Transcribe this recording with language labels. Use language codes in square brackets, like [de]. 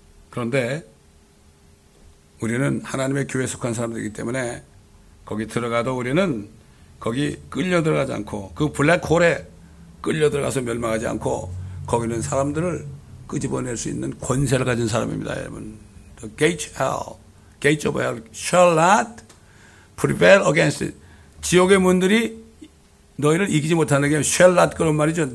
[ko] 그런데 우리는 하나님의 교회에 속한 사람들이기 때문에 거기 들어가도 우리는 거기 끌려 들어가지 않고 그 블랙홀에 끌려 들어가서 멸망하지 않고 거기 있는 사람들을 끄집어낼 수 있는 권세를 가진 사람입니다. 여러분. [en] The gates of hell shall not prevail against it. [ko] 지옥의 문들이 너희를 이기지 못하는 게 shall not 그런 말이죠.